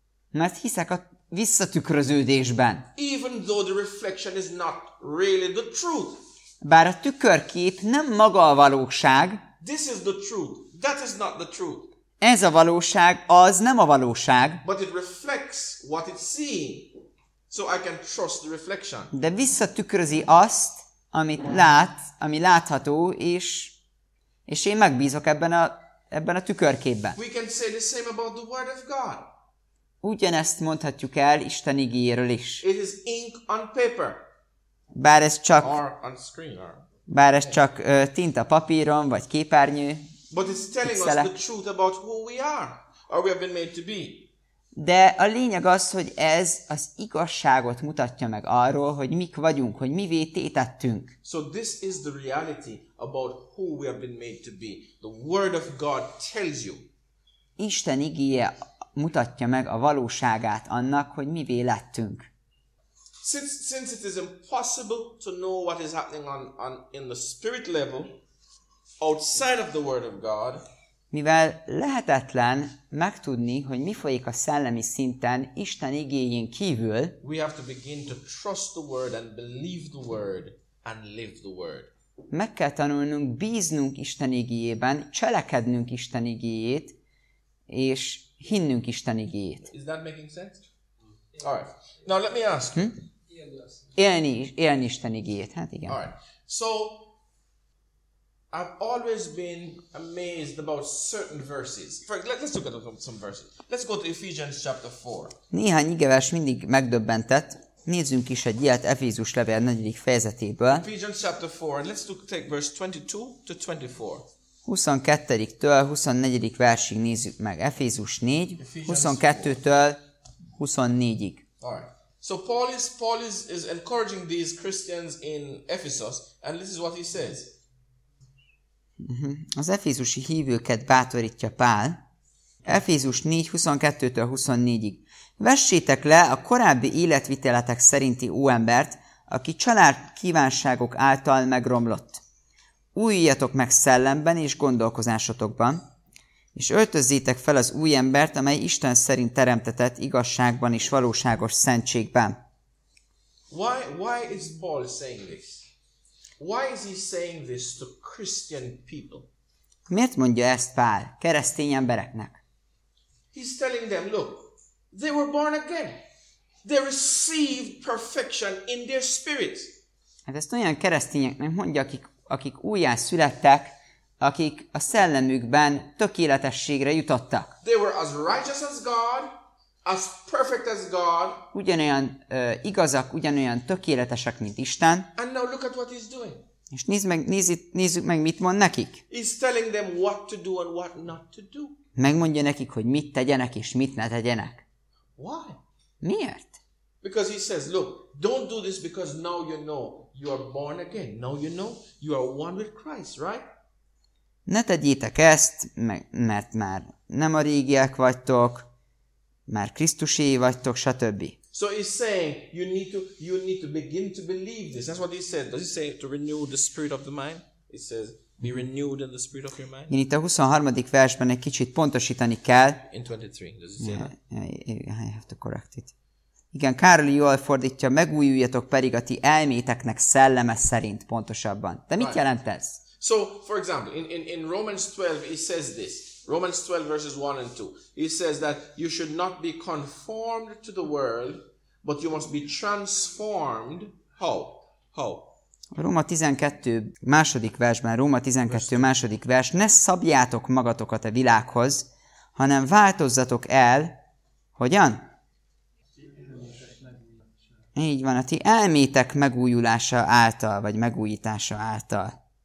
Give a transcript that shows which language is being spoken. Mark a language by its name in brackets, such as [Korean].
[Hungarian] Mert hiszek a visszatükröződésben. [English] Even though the reflection is not really the truth. [Hungarian] Bár a tükörkép nem maga a valóság. [English] This is the truth. That is not the truth. [Hungarian] Ez a valóság, az nem a valóság. [English] But it reflects what it's seeing. So I can trust the reflection. [Hungarian] De visszatükrözi azt, amit lát, ami látható, és én megbízok ebben a tükörképben. [English] We can say the same about the word of God. [Hungarian] Ugyanezt mondhatjuk el Isten igéjéről is. [English] It is ink on paper. [Hungarian] Bár ez csak [English] on screen, [Hungarian] bár ez csak tinta papíron vagy képernyő. [English] But it's telling us the truth about who we are, or we have been made to be. [Hungarian] De a lényeg az, hogy ez az igazságot mutatja meg arról, hogy mik vagyunk, hogy mivé tétettünk. [English] So this is the reality about who we have been made to be. The word of God tells you. [Hungarian] Isten igéje mutatja meg a valóságát annak, hogy mivé lettünk. [English] Since it is impossible to know what is happening on in the spirit level outside of the word of God, [Hungarian] mivel lehetetlen megtudni, hogy mi folyik a szellemi szinten Isten igéjén kívül, [English] we have to begin to trust the word and believe the word and live the word. [Hungarian] Meg kell tanulnunk bíznunk Isten igéjében, cselekednünk Isten igéjét, és hinnünk Isten igéjét. [English] Is that making sense? All right. Now let me ask. [Hungarian] Élni Isten igéjét. Hát igen. [English] All right. So I've always been amazed about certain verses. Let's look at some verses. Let's go to Ephesians chapter 4. [Hungarian] Néhány igevers mindig megdöbbentett. Nézzünk is egy ilyet Efézus levél 4. fejezetéből. [English] Ephesians chapter 4. Let's take verse 22 to 24. [Hungarian] 22-től 24. versig nézzük meg. Efézus 4, 22-től 24-ig. [English] So Paul is encouraging these Christians in Ephesus, and this is what he says. [Hungarian] Az efézusi hívőket bátorítja Pál. Efézus 4, 22-től 24-ig. Vessétek le a korábbi életviteletek szerinti óembert, aki család kívánságok által megromlott. Újjatok meg szellemben és gondolkozásotokban, és öltözzétek fel az új embert, amely Isten szerint teremtetett igazságban és valóságos szentségben. [English] Why is Paul saying this? Why is he saying this to Christian people? [Hungarian] Miért mondja ezt Pál keresztény embereknek? [English] He's telling them, look, they were born again. They received perfection in their spirit. [Hungarian] Hát ezt olyan keresztényeknek mondja, akik újjá születtek, akik a szellemükben tökéletességre jutottak. [English] They were as righteous as God, as perfect as God. [Hungarian] Ugyanolyan igazak, ugyanolyan tökéletesek, mint Isten. [English] And now look at what he's doing. [Hungarian] És nézzük meg, mit mond nekik. [English] He's telling them what to do and what not to do. [Hungarian] Megmondja nekik, hogy mit tegyenek és mit ne tegyenek. [English] Why? [Hungarian] Miért? [English] Because he says, look, don't do this because now you know. You are born again. Now you know. You are one with Christ, right? [Hungarian] Ne tegyétek ezt, mert már nem a régiek vagytok, már Krisztusi vagytok, stb. [English] So he's saying you need to begin to believe this. That's what he said. Does he say to renew the spirit of the mind? He says be renewed in the spirit of your mind. [Hungarian] Én itt a 23. versben egy kicsit pontosítani kell. [English] In 23, does it say that? I have to correct it. [Hungarian] Igen, Károli jól fordítja, megújuljatok pedig a ti elméteknek szelleme szerint, pontosabban. De mit jelent ez? [English] So, for example, in Romans 12, he says this. Romans 12, verses 1 and 2. He says that you should not be conformed to the world, but you must be transformed. How? How? [Hungarian] Róma 12, második versben, Róma 12, második vers. Ne szabjátok magatokat a világhoz, hanem változzatok el. Hogyan? Így van, a ti elmétek megújulása által, vagy megújítása által.